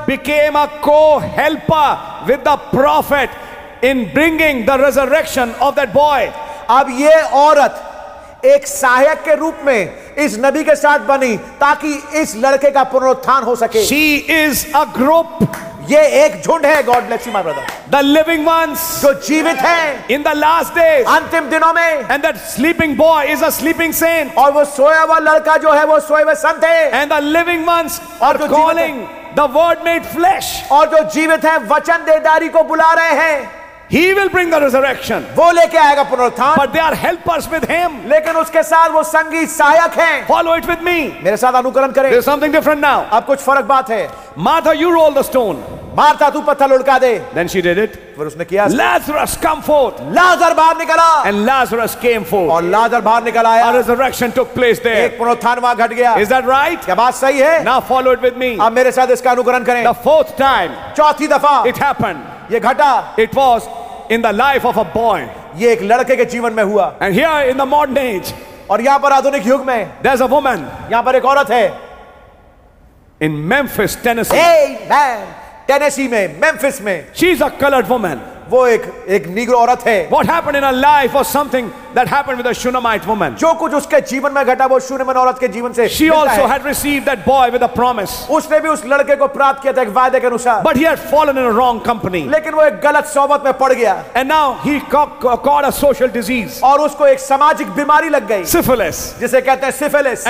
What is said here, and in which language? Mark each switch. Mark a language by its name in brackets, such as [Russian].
[English] Became a co helper with the prophet in bringing the resurrection of that boy. [Hindi] अब ये औरत एक सहायक के रूप में इस नबी के साथ बनी ताकि इस लड़के का पुनरुत्थान हो सके. [English] She is a group. [Hindi] ये एक झुंड है. [English] God bless you, my brother. The living ones. [Hindi] जो जीवित हैं. [English] In the last days. [Hindi] अंतिम दिनों में. [English] And that sleeping boy is a sleeping saint. [Hindi] और वो सोया हुआ लड़का जो है वो सोए हुए संत है. [English] And the living ones are calling the word made flesh. [Hindi] और जो जीवित हैं वचन देहधारी को बुला रहे हैं. [English] He will bring the resurrection. [Hindi] वो लेके आएगा पुनरुत्थान. [English] But they are helpers with him. [Hindi] लेकिन उसके साथ वो संगी सहायक हैं. [English] Follow it with me. [Hindi] मेरे साथ अनुकरण करें. [English] There's something different now. [Hindi] अब कुछ फर्क बात है. [English] Martha, you roll the stone. [Hindi] Martha तू पत्थर लुढ़का दे. [English] Then she did it. [Hindi] फिर उसने किया. [English] Lazarus come forth. [Hindi] लाजर बाहर निकला. [English] And Lazarus came forth. [Hindi] और लाजर बाहर निकल आया. [English] A resurrection took place there. [Hindi] एक पुनरुत्थान वहां घट गया. [English] Is that right? [Hindi] क्या बात सही है? [English] Now follow it with me. [Hindi] अब मेरे साथ इसका अनुकरण करें. [English] The fourth time. [Hindi] चौथी दफा. [English] It happened. [Hindi] ये घटा. [English] It was in the life of a boy. [Hindi] ये एक लड़के के जीवन में हुआ. [English] And here in the modern age. [Hindi] और यहाँ पर आधुनिक युग में. [English] There's a woman. [Hindi] यहाँ पर एक औरत है. [English] In Memphis, Tennessee. Amen. [Hindi] Tennessee में, Memphis में. [English] She's a colored woman. [Hindi] वो एक नीग्रो औरत है. [English] What happened in her life was something that happened with a Shunammite woman. [Hindi] जो कुछ उसके जीवन में घटा वो शूनमिते औरत के जीवन से. [English] She also had received that boy with a promise. [Hindi] उसने भी उस लड़के को प्राप्त किया था एक वादे के अनुसार. [English] But he had fallen in a wrong company. [Hindi] लेकिन वो एक गलत सोबत में पड़ गया. [English] And now he caught a social disease. [Hindi] और उसको एक सामाजिक बीमारी लग गई. [English] Syphilis. [Hindi] जिसे कहते हैं syphilis.